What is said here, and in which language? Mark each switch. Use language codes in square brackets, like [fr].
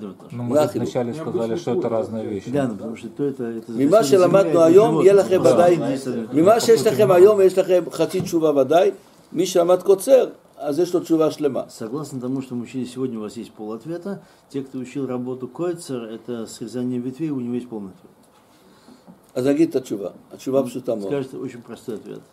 [ru] Но мы же вначале сказали, что это разные вещи. Да, потому что то это... [he] ממה שלמדנו היום, יהיה לכם ודאי... ממה שיש לכם היום, יש לכם חצי תשובה ודאי. מי שלמד קוצר, אז יש לו תשובה שלמה. [ru] согласно тому, что мы учили сегодня, у вас есть пол ответа. те, кто учил работу קוצר, это срезание ветвей, у него есть полный ответ. [he] אז נגיד את התשובה. התשובה פשוטה מאוד. [ru] скажите, очень простой ответ.